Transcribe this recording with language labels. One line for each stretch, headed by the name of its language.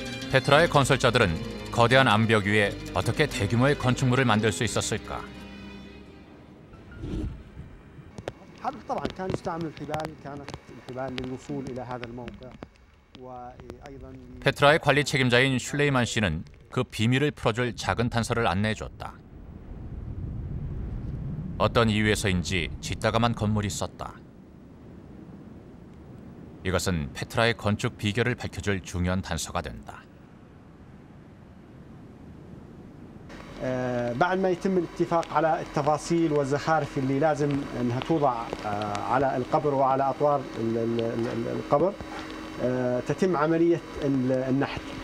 Korean: 페트라의 건설자들은 거대한 암벽 위에 어떻게 대규모의 건축물을 만들 수 있었을까?
Arabic: احتمال للوصول الى هذا الموقع وايضا
Korean: 페트라의 관리 책임자인 슐레이만 씨는 그 비밀을 풀어줄 작은 단서를 안내해 줬다. 어떤 이유에서인지 짓다감한 건물이 있었다. 이것은 페트라의 건축 비결을 밝혀줄 중요한 단서가 된다.
Arabic: بعدما يتم الاتفاق على التفاصيل والزخارف اللي لازم انها توضع على القبر وعلى اطوار القبر تتم عمليه النحت.